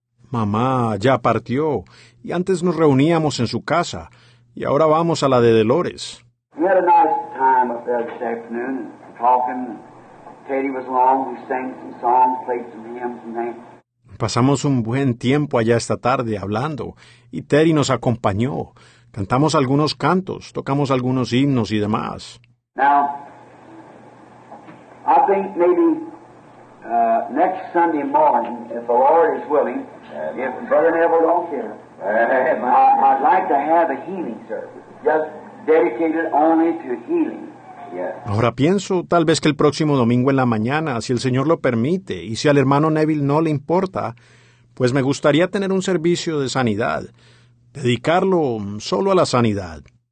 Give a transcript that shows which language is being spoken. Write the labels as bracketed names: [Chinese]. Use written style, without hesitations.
[Spanish] Mamá ya partió, y antes nos reuníamos en su casa, y ahora vamos a la de Dolores. [English] We had a nice time up there this afternoon, talking. Katie was along. We sang some songs, played some hymns and things. [Spanish] Pasamos un buen tiempo allá esta tarde hablando, y Terry nos acompañó. Cantamos algunos cantos, tocamos algunos himnos y demás. [English] Now, I think maybe next Sunday morning, if the Lord is willing, if Brother Neville don't care, I'd like to have a healing service, just dedicated only to healing. [Spanish] Ahora pienso, tal vez que el próximo domingo en la mañana, si el Señor lo permite, y si al hermano Neville no le importa, pues me gustaría tener un servicio de sanidad, dedicarlo solo a la sanidad.